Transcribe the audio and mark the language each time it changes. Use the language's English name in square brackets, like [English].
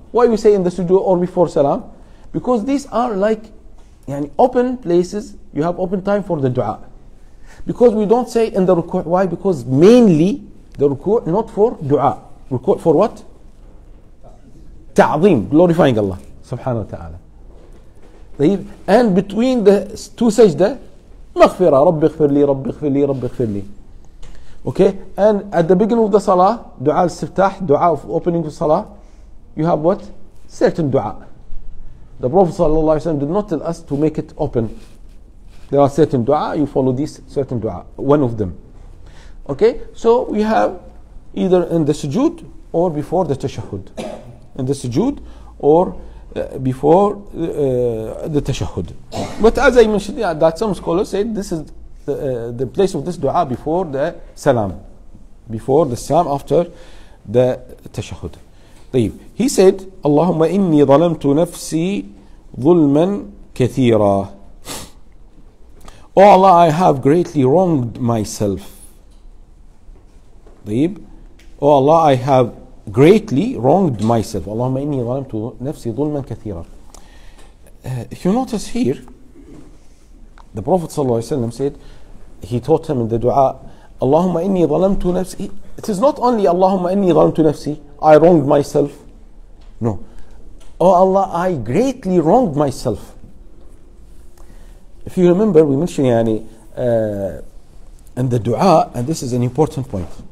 [English] Why we say in the sujood or before سلام? Because these are like يعني open places, you have open time for the دعاء. Because we don't say in the ruku'. Why? Because mainly the ruku' not for دعاء. Ruku' for what? تعظيم. Glorifying Allah [Arabic] سبحانه وتعالى. طيب. [English] And between the two [Arabic] سجدة مغفرة. رب اغفر لي رب اغفر لي رب اغفر لي. [English] Okay. And at the beginning of the salah, [Arabic] دعاء الاستفتاح, [English] دعاء of opening of salah, you have what? Certain دعاء. The Prophet [Arabic] صلى الله عليه وسلم [English] did not tell us to make it open. There are certain du'a, you follow this certain du'a, one of them. Okay, so we have either in the sujood or before the tashahud. In the sujood or before the tashahud. But as I mentioned, yeah, that some scholars said this is the place of this du'a before the salam. Before the salam after the tashahud. [Arabic] طيب. [English] He said, [Arabic] اللهم إني ظلمت نفسي ظلما كثيرا. [English] Oh Allah, I have greatly wronged myself. [Arabic] طيب. [English] Oh Allah, I have greatly wronged myself. [Arabic] اللهم إني ظلمت نفسي ظلما كثيرا. [English] If you notice here, the Prophet [Arabic] صلى الله عليه وسلم [English] said, he taught him in the dua, [Arabic] اللهم إني ظلمت نفسي. [English] It is not only [Arabic] اللهم إني ظلمت نفسي, [English] I wronged myself. No. Oh Allah, I greatly wronged myself. If you remember, we mentioned يعني in the dua, and this is an important point.